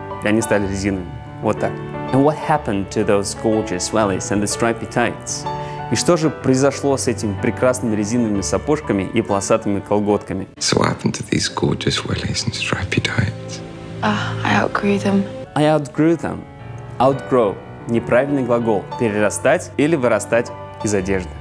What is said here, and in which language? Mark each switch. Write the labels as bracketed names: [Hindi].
[Russian] И они стали резиновыми. Вот так. [English] And what happened to those gorgeous wellies and the stripy tights? [Russian] И что же произошло с этими прекрасными резиновыми сапожками и полосатыми колготками? [English] So what happened to these gorgeous wellies and stripy tights? I outgrew them. I outgrew them. [Russian] Outgrow – неправильный глагол – перерастать или вырастать из одежды.